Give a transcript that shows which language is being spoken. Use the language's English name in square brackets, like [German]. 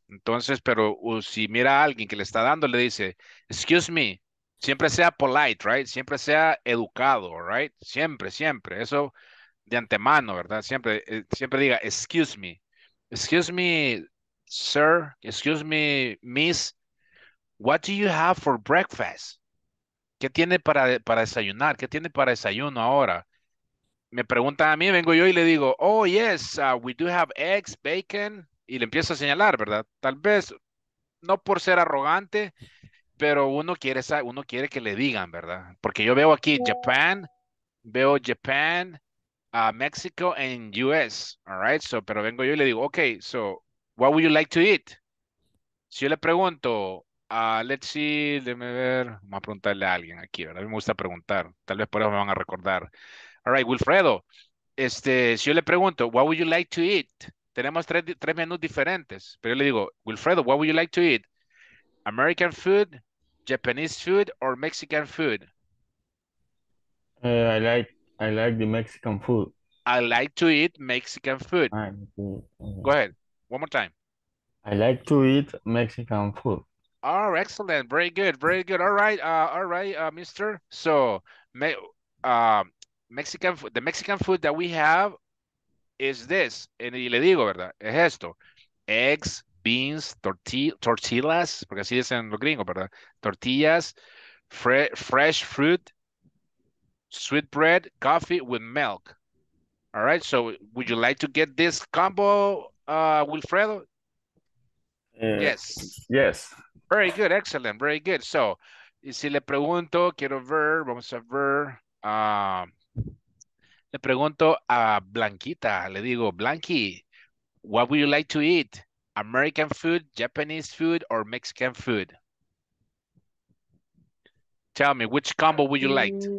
[Spanish] Entonces, pero si mira a alguien que le está dando, le dice, excuse me, siempre sea polite, right, siempre sea educado, right, siempre, siempre, eso de antemano, ¿verdad? Siempre, siempre diga, excuse me. [English] Excuse me, sir, excuse me, miss, what do you have for breakfast? [Spanish] ¿Qué tiene para desayunar? ¿Qué tiene para desayuno ahora? Me preguntan a mí, vengo yo y le digo, [English] oh, yes, we do have eggs, bacon, [Spanish] y le empiezo a señalar, ¿verdad? Tal vez, no por ser arrogante, pero uno quiere que le digan, ¿verdad? Porque yo veo aquí Japan, Mexico and US, all right? [English] So, [Spanish] pero vengo yo y le digo, [English] okay, so, what would you like to eat? [Spanish] Si yo le pregunto, [English] let's see, [Spanish] déjame ver, vamos a preguntarle a alguien aquí, ¿verdad? A mí me gusta preguntar, tal vez por eso me van a recordar. [English] All right, Wilfredo, [Spanish] si yo le pregunto, [English] what would you like to eat? [Spanish] Tenemos tres menús diferentes, pero yo le digo, Wilfredo, [English] what would you like to eat? American food, Japanese food, or Mexican food? I like the Mexican food. I like to eat Mexican food. Go ahead. One more time. I like to eat Mexican food. Oh, excellent. Very good. Very good. All right. Mister. So, Mexican food. The Mexican food that we have is this. [Spanish] Y le digo, ¿verdad? Es esto. [English] Eggs, beans, tortillas. [Spanish] Porque así dicen los gringos, ¿verdad? [English] Tortillas, fresh fruit. Sweet bread, coffee with milk. All right, so would you like to get this combo, Wilfredo? Yes. Yes. Very good, excellent, very good. [Spanish] So, y si le pregunto, quiero ver, vamos a ver. Le pregunto a Blanquita, le digo, Blanqui, [English] what would you like to eat? American food, Japanese food, or Mexican food? Tell me, which combo would you like?